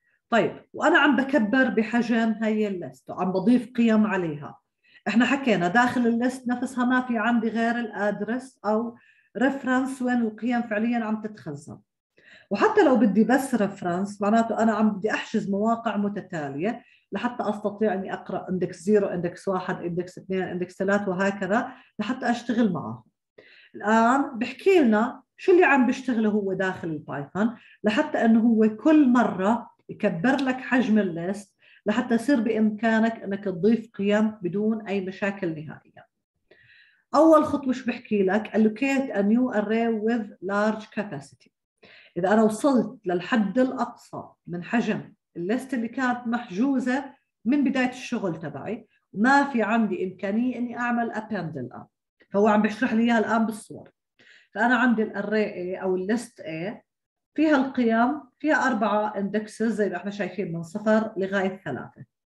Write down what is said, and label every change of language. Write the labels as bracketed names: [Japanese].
[Arabic] طيب وانا عم بكبر بحجم هاي الليست وعم بضيف قيم عليها، احنا حكينا داخل الليست نفسها ما في عندي غير الادرس او ريفرنس وين القيم فعليا عم تتخزن، وحتى لو بدي بس ريفرنس معناته انا عم بدي احجز مواقع متتاليه لحتى استطيع اني اقرا اندكس 0 اندكس 1 اندكس 2 اندكس 3 وهكذا لحتى اشتغل معه. الان بحكي لنا شو اللي عم بيشتغله هو داخل البايثون لحتى انه هو كل مره يكبر لك حجم الليست لحتى يصير بامكانك انك تضيف قيم بدون اي مشاكل نهائيا. اول خطوه شو بحكي لك؟ [English] allocate a new array with large capacity. [Arabic] إذا أنا وصلت للحد الأقصى من حجم الليست اللي كانت محجوزة من بداية الشغل تبعي وما في عندي إمكانية أني أعمل append الآن، فهو عم بيشرح لي الآن بالصور. فأنا عندي الأري A أو الليست A فيها القيم، فيها 4 indexes زي ما احنا شايفين من 0 لغاية 3.